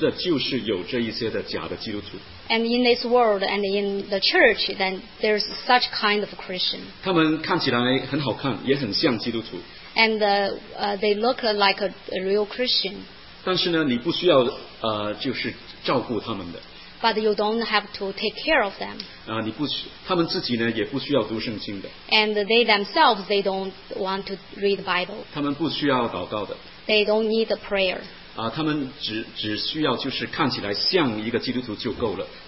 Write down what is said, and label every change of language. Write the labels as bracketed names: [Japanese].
[Chinese] 那在这个世界上，在教会里面，也真的就是有这一些的假的基督徒。 [English] And in this world and in the church, then there's such kind of Christian. [Chinese] 他们看起来很好看，也很像基督徒。 [English] And they look like a real Christian. [Chinese] 但是呢，你不需要 就是照顾他们的。 [English] But you don't have to take care of them. [Chinese] 他们自己呢也不需要读圣经的。 [English] And they themselves, they don't want to read the Bible. [Chinese] 他们不需要祷告的。 [English] They don't need a prayer. [Chinese] 他们只需要就是看起来像一个基督徒就够了。